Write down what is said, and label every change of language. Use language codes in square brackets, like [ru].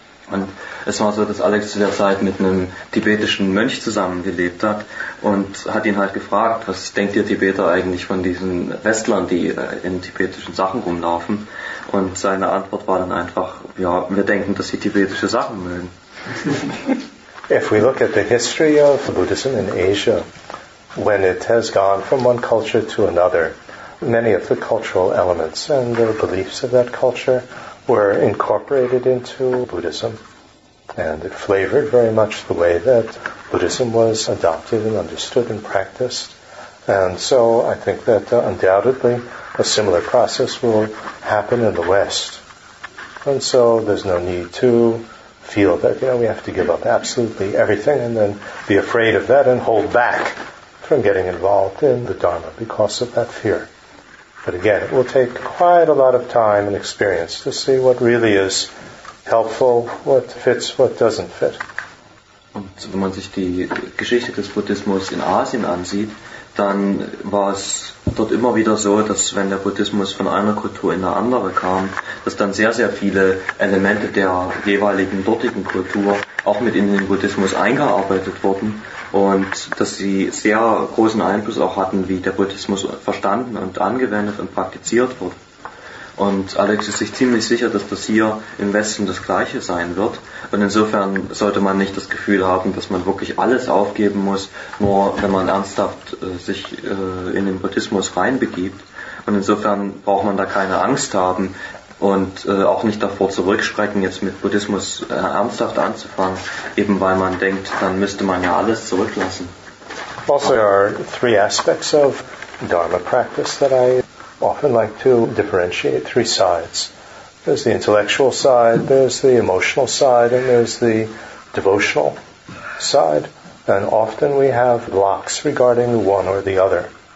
[de] Und es war so, dass Alex zu der Zeit mit einem tibetischen Mönch zusammengelebt hat und hat ihn halt gefragt, was denkt ihr Tibeter eigentlich von diesen Westlern, die in tibetischen Sachen rumlaufen? Und seine Antwort war dann einfach, ja, wir denken, dass sie tibetische Sachen mögen. [en] If we look at the history of Buddhism in Asia, when it has gone from one culture to another, many of the cultural elements and the beliefs of that culture were incorporated into Buddhism, and it flavored very much the way that Buddhism was adopted and understood and practiced. And so I think that undoubtedly a similar process will happen in the West. And so there's no need to feel that, you know, we have to give up absolutely everything and then be afraid of that and hold back from getting involved in the Dharma because of that fear. But again, it will take quite a lot of time and experience to see what really is helpful, what fits, what doesn't fit. [de] Und wenn man sich die Geschichte des Buddhismus in Asien ansieht, dann war es dort immer wieder so, dass wenn der Buddhismus von einer Kultur in eine andere kam, dass dann sehr, sehr viele Elemente der jeweiligen dortigen Kultur auch mit in den Buddhismus eingearbeitet wurden und dass sie sehr großen Einfluss auch hatten, wie der Buddhismus verstanden und angewendet und praktiziert wurde. Und Alex ist sich ziemlich sicher, dass das hier im Westen das Gleiche sein wird. Und insofern sollte man nicht das Gefühl haben, dass man wirklich alles aufgeben muss, nur wenn man ernsthaft sich in den Buddhismus reinbegibt. Und insofern braucht man da keine Angst haben und auch nicht davor zurückschrecken, jetzt mit Buddhismus ernsthaft anzufangen, eben weil man denkt, dann müsste man ja alles zurücklassen. [en] Also, there are three aspects of Dharma practice that I often like to differentiate, three sides. There's the intellectual side, there's the emotional side, and there's the devotional side. And often we have blocks regarding one or the other.